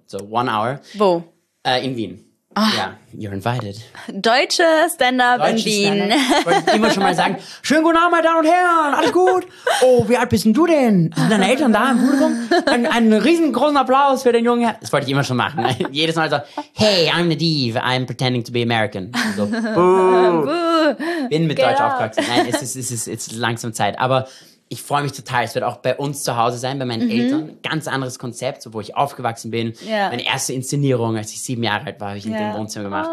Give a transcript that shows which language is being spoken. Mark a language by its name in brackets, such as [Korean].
[English] So, 1 Hour. [German] Wo? In Wien. Ja, oh. [English] You're invited. [German] Deutsche Stand-Up in Wien. Stand-up. Ich wollte immer schon mal sagen, schönen guten Abend, meine Damen und Herren, alles gut. Oh, wie alt bist du denn? Sind deine Eltern da im Publikum? Einen riesengroßen Applaus für den jungen Herrn. Das wollte ich immer schon machen. Jedes Mal so, [English] hey, I'm Nadeve, I'm pretending to be American. [German] So, Buh. Bin mit Deutsch aufgewachsen. Nein, es ist langsam Zeit, aber... Ich freue mich total. Es wird auch bei uns zu Hause sein, bei meinen Eltern. Ganz anderes Konzept, wo ich aufgewachsen bin. Yeah. Meine erste Inszenierung, als ich 7 Jahre alt war, habe ich in dem Wohnzimmer gemacht.